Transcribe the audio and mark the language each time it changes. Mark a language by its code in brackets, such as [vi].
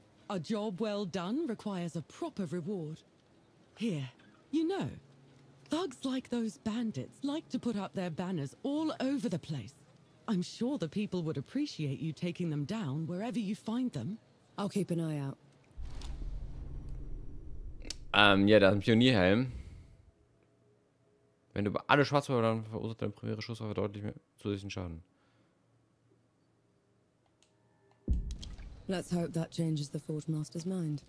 [en] A job well done requires a proper reward. Here, you know, thugs like those bandits like to put up their banners all over the place. I'm sure the people would appreciate you taking them down wherever you find them. I'll keep an eye out. [de] Ja, da ist ein Pionierhelm. Wenn du alle schwarz warst, dann verursacht deine primäre Schusswaffe deutlich mehr zusätzlichen Schaden. [en] Let's hope that changes the Forge Master's mind.